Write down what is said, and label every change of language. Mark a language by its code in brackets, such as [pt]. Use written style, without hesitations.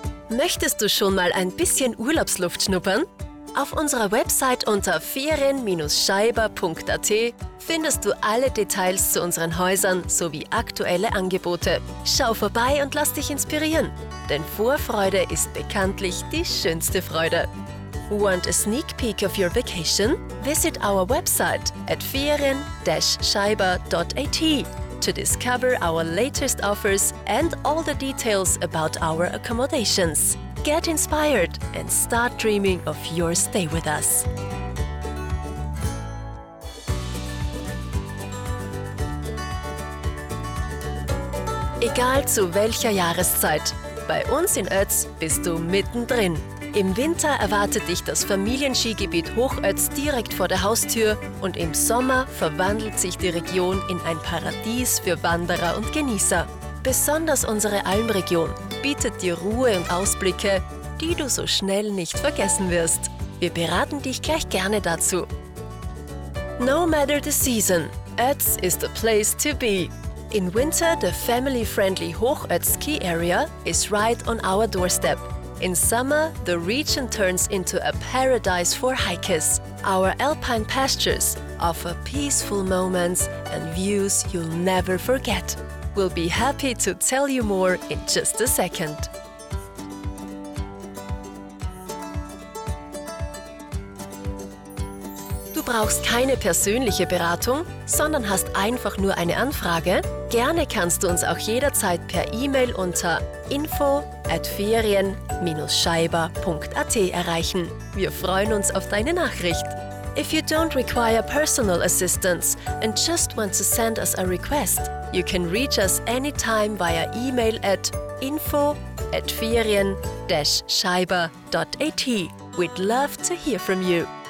[de] Möchtest du schon mal ein bisschen Urlaubsluft schnuppern? Auf unserer Website unter ferien-scheiber.at findest du alle Details zu unseren Häusern sowie aktuelle Angebote. Schau vorbei und lass dich inspirieren, denn Vorfreude ist bekanntlich die schönste Freude. [en] Want a sneak peek of your vacation? Visit our website at ferien-scheiber.at to discover our latest offers and all the details about our accommodations. Get inspired and start dreaming of your stay with us. [de] Egal zu welcher Jahreszeit, bei uns in Ötz bist du mittendrin. Im Winter erwartet dich das Familienskigebiet Hochötz direkt vor der Haustür und im Sommer verwandelt sich die Region in ein Paradies für Wanderer und Genießer. Besonders unsere Almregion bietet dir Ruhe und Ausblicke, die du so schnell nicht vergessen wirst. Wir beraten dich gleich gerne dazu. [en] No matter the season, Ötz is the place to be. In winter, the family-friendly Hochötz Ski Area is right on our doorstep. In summer, the region turns into a paradise for hikers. Our alpine pastures offer peaceful moments and views you'll never forget. We'll be happy to tell you more in just a second. [de] Du brauchst keine persönliche Beratung, sondern hast einfach nur eine Anfrage? Gerne kannst du uns auch jederzeit per E-Mail unter info@ferien-scheiber.at erreichen. Wir freuen uns auf deine Nachricht. [en] If you don't require personal assistance and just want to send us a request, you can reach us anytime via email at info@ferien-scheiber.at. We'd love to hear from you.